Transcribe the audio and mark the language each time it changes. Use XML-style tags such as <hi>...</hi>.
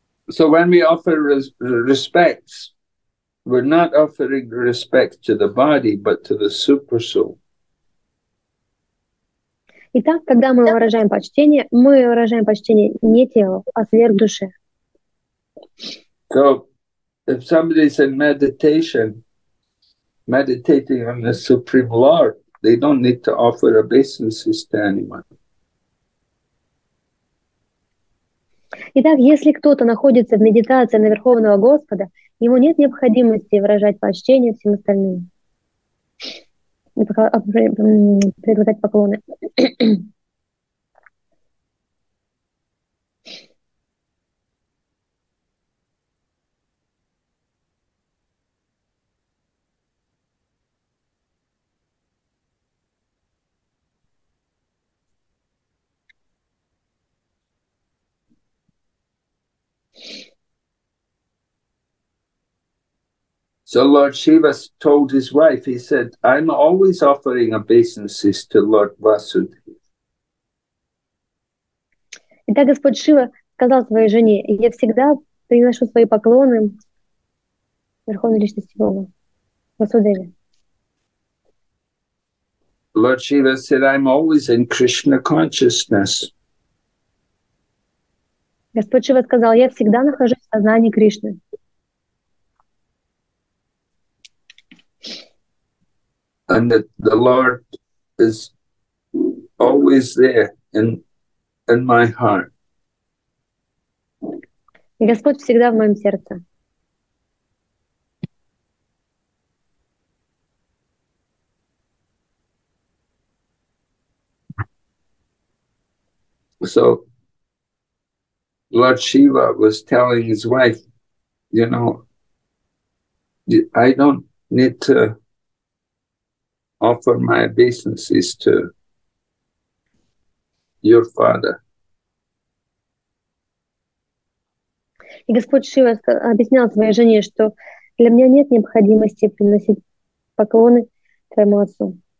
<en>So when we offer respects, we're not offering respect to the body, but to the super soul.</en> <ru>Итак, когда мы выражаем почтение не телу, а сверхдуше.</ru> <en>So, if somebody's in meditation, meditating on the Supreme Lord, they don't need to offer obeisances to anyone.</en> <ru>Итак, если кто-то находится в медитации на Верховного Господа, ему нет необходимости выражать почтение всем остальным и предлагать поклоны.</ru> <en>So Lord Shiva told his wife, he said, I'm always offering obeisances to Lord Vasudeva.</en> <ru>Итак, Господь Шива сказал своей жене, я всегда приношу свои поклоны Верховной Личности Бога, Васудеве.</ru> <en>Lord Shiva said, I'm always in Krishna consciousness.</en> <ru>Господь Шива сказал, я всегда нахожусь в сознании Кришны.</ru> <en>And that the Lord is always there in my heart.</en> <ru>Господь всегда в моем сердце.</ru> <en>So Lord Shiva was telling his wife, you know, I don't need to offer my obeisances to your father.</en> <ru>И Господь Шива объяснял своей жене, что для меня нет необходимости приносить поклоны твоему отцу.</ru>